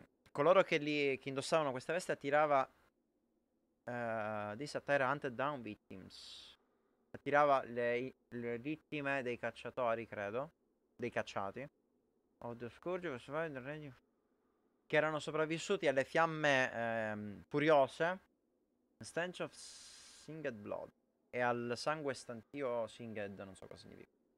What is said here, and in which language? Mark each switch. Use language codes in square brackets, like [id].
[it] Coloro che che indossavano questa veste attirava... [en] this attire hunted down victims. [it] Attirava le vittime dei cacciatori, credo. Dei cacciati. Che erano sopravvissuti alle fiamme furiose. [en] Stench of Singed Blood. [it] E al sangue stantio Singed, non so cosa significa.